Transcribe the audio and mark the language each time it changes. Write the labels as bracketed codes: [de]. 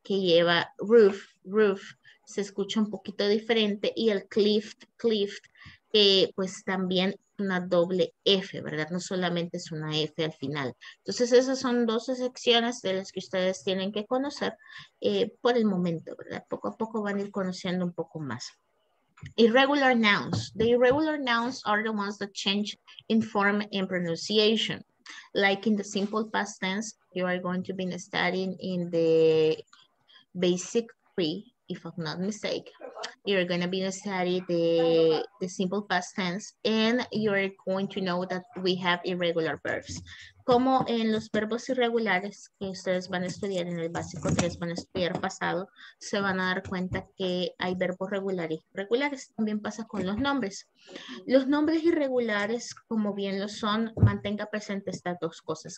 [es] Que lleva roof, roof, se escucha un poquito diferente y el cliffed, cliffed, pues también una doble F, ¿verdad? No solamente es una F al final. Entonces, esas son dos excepciones de las que ustedes tienen que conocer por el momento, ¿verdad? Poco a poco van a ir conociendo un poco más. [en] Irregular nouns. The irregular nouns are the ones that change in form and pronunciation. Like in the simple past tense, you are going to be studying in the basic three, if I'm not mistaken. You're going to be studying the simple past tense and you're going to know that we have irregular verbs. [es] Como en los verbos irregulares que ustedes van a estudiar en el básico 3, van a estudiar pasado, se van a dar cuenta que hay verbos regulares. Regulares también pasa con los nombres. Los nombres irregulares, como bien lo son, mantenga presente estas dos cosas.